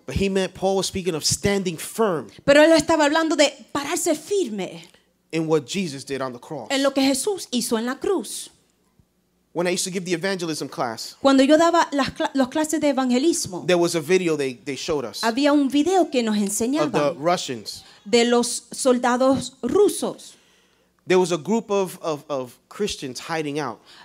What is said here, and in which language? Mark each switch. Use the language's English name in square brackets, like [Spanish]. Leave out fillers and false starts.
[English] But he meant Paul was speaking of standing firm. [Spanish] Pero él estaba hablando de pararse firme. [English] In what Jesus did on the cross. [Spanish] En lo que Jesús hizo en la cruz. [English] When I used to give the evangelism class, [Spanish] cuando yo daba las clases de evangelismo, [English] there was a video they showed us. [Spanish] Había un video que nos enseñaban [English] of the Russians. [Spanish] De los soldados rusos. [English] There was a group of Christians hiding out.